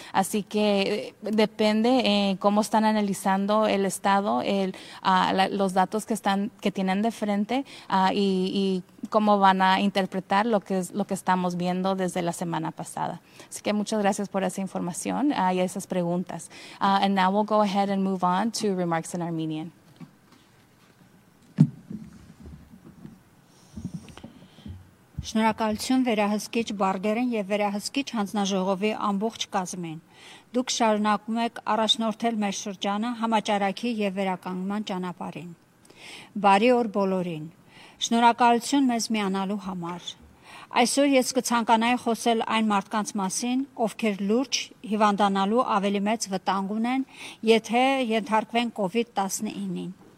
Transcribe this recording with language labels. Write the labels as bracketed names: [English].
[Spanish] Así que depende cómo están analizando el Estado, los datos que tienen de frente y cómo van a interpretar lo que estamos viendo desde la semana pasada. Así que muchas gracias por esa información y esas preguntas. [English] And now we'll go ahead and move on to remarks in Armenian. [Armenian] Շնորհակալություն վերահսկիչ Բարգերին եւ վերահսկիչ հանձնաժողովի ամբողջ կազմին։ Դուք շարունակում եք առաջնորդել մեր շրջանը համաճարակի եւ վերականգնման ճանապարհին։ Բարի օր բոլորին։ Շնորհակալություն մեզ միանալու համար։ Այսօր ես կցանկանայի խոսել այն մարդկանց մասին, ովքեր լուրջ հիվանդանալու ավելի մեծ վտանգ ունեն, եթե ենթարկվեն COVID-19-ին։